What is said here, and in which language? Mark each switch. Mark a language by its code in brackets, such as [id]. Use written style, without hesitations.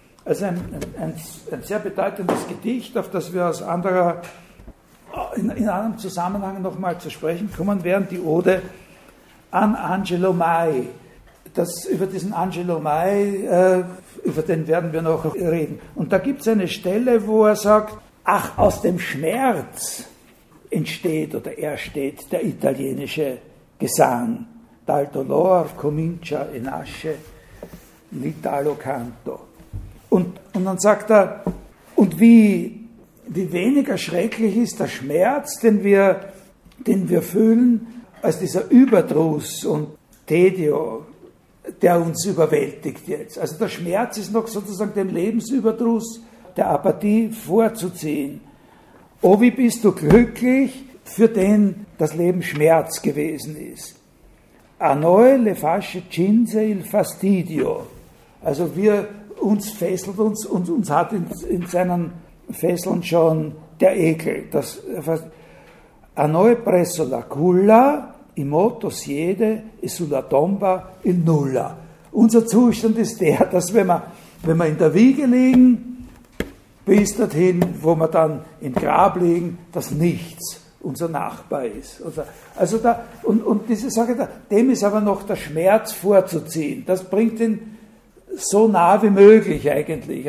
[de] Also ein sehr bedeutendes Gedicht, auf das wir aus anderer, in einem Zusammenhang nochmal zu sprechen kommen werden, die Ode an Angelo Mai. das über diesen Angelo Mai, über den werden wir noch reden. Und da gibt es eine Stelle, wo er sagt, ach, aus dem Schmerz entsteht oder ersteht der italienische Gesang. [it] Dal dolor comincia e nasce l'italo canto. [de] Und dann sagt er, und wie weniger schrecklich ist der Schmerz, den wir fühlen, als dieser Überdruss und Tedio, der uns überwältigt jetzt. Also der Schmerz ist noch sozusagen dem Lebensüberdruss, der Apathie vorzuziehen. Oh, wie bist du glücklich, für den das Leben Schmerz gewesen ist. [it] A noi le fasce cinse il fastidio. [de] Also wir, uns fesselt uns, und uns hat in seinen Fesseln schon der Ekel. [it] A noi presso la culla, i moto siede e sulla tomba il nulla. [de] Unser Zustand ist der, dass wenn wir in der Wiege liegen, bis dorthin, wo wir dann im Grab liegen, dass nichts unser Nachbar ist. Also da, und diese Sache, da, dem ist aber noch der Schmerz vorzuziehen. Das bringt ihn so nah wie möglich eigentlich.